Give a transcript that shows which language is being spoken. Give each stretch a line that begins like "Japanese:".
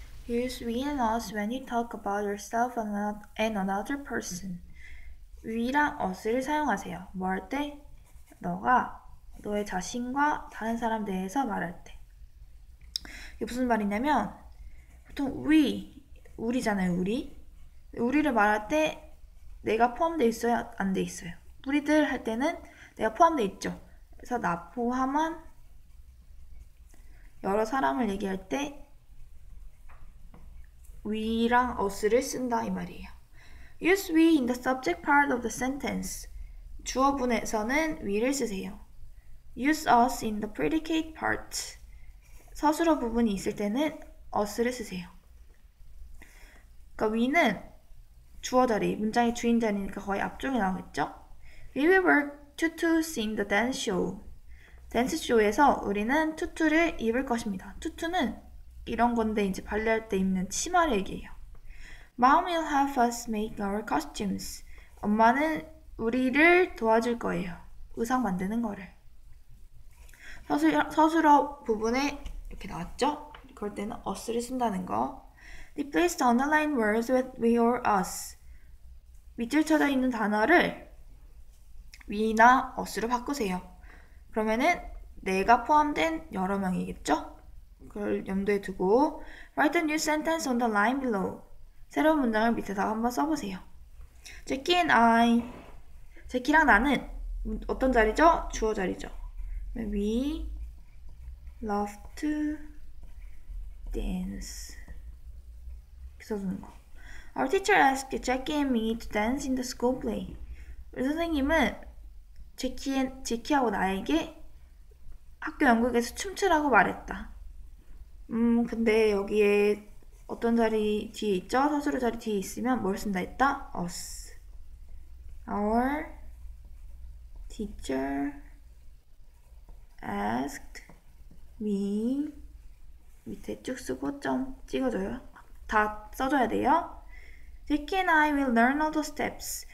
English: Here's we and us when you talk about yourself and another person.
Korean: We랑 us를 사용하세요. 뭐 할 때? 너가 너의 자신과 다른 사람에 대해서 말할 때. 이게 무슨 말이냐면 보통 we, 우리잖아요, 우리. 우리를 말할 때 내가 포함되어 있어요? 안 돼 있어요? 우리들 할 때는 내가 포함되어 있죠. 그래서 나 포함한 여러 사람을 얘기할 때 we랑 us를 쓴다 이 말이에요.
English: Use we in the subject part of the sentence.
Korean: 주어분에서는 we를 쓰세요.
English: Use us in the predicate part.
Korean: 서술어 부분이 있을 때는 us를 쓰세요. 그러니까 we는 주어 자리, 문장의 주인 자리니까 거의 앞쪽에 나오겠죠?
English: We will work tutus in the dance show.
Korean: 댄스 쇼에서 우리는 투투를 입을 것입니다. 투투는 이런 건데 이제 발레할 때 입는 치마를 얘기해요.
English: Mom will help us make our costumes.
Korean: 엄마는 우리를 도와줄 거예요. 의상 만드는 거를. 서술어 부분에 이렇게 나왔죠? 그럴 때는 us를 쓴다는 거.
English: Replace the underlined words with we or us.
Korean: 밑줄 쳐져 있는 단어를 we나 us로 바꾸세요. 그러면은 내가 포함된 여러 명이겠죠?
English: 그걸 염두에 두고 write a new sentence on the line below.
Korean: 새로운 문장을 밑에다 한번 써보세요. Jackie and I, Jackie랑 나는 어떤 자리죠? 주어 자리죠.
English: We love to dance. 이렇게 써주는 거. Our teacher asked Jackie and me to dance in the school play.
Korean: 우리 선생님은 Jackie하고 나에게 학교 연극에서 춤추라고 말했다. 근데 여기에 어떤 자리 뒤에 있죠? 서술어 자리 뒤에 있으면 뭘 쓴다 했다?
English: Us. Our teacher asked me.
Korean: 밑에 쭉 쓰고 점 찍어줘요. 다 써줘야 돼요.
English: Jackie and I will learn all the steps.